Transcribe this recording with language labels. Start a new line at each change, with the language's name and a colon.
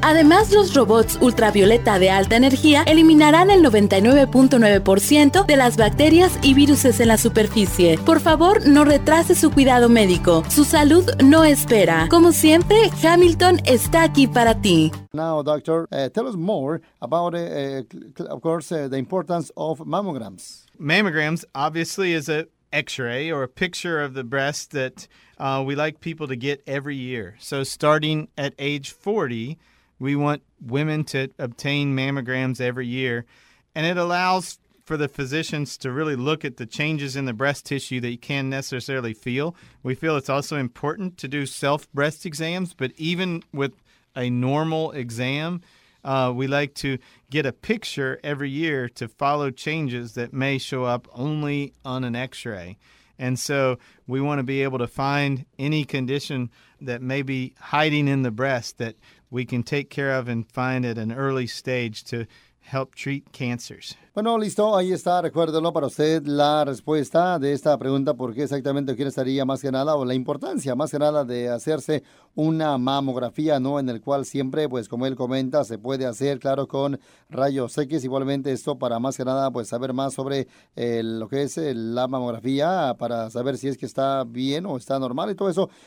Spanish: Además, los robots ultravioleta de alta energía eliminarán el 99.9% de las bacterias y virus en la superficie. Por favor, no retrase su cuidado médico. Su salud no espera. Como siempre, Hamilton está aquí para ti.
English: Now, doctor, tell us more about, of course, the importance of mammograms. Mammograms, obviously, is an x-ray or a picture of the breast that we like people to get every year. So starting at age 40, we want women to obtain mammograms every year. And it allows for the physicians to really look at the changes in the breast tissue that you can't necessarily feel. We feel it's also important to do self-breast exams, but even with a normal exam, we like to get a picture every year to follow changes that may show up only on an x-ray. And so we want to be able to find any condition that may be hiding in the breast that we can take care of and find at an early stage to help treat cancers.
Spanish: Bueno, listo, ahí está, recuérdelo para usted la respuesta de esta pregunta, por qué exactamente, quién estaría más que nada, o la importancia más que nada de hacerse una mamografía, ¿no? En el cual siempre, pues como él comenta, se puede hacer, claro, con rayos X, igualmente esto para más que nada, pues saber más sobre lo que es la mamografía, para saber si es que está bien o está normal y todo eso.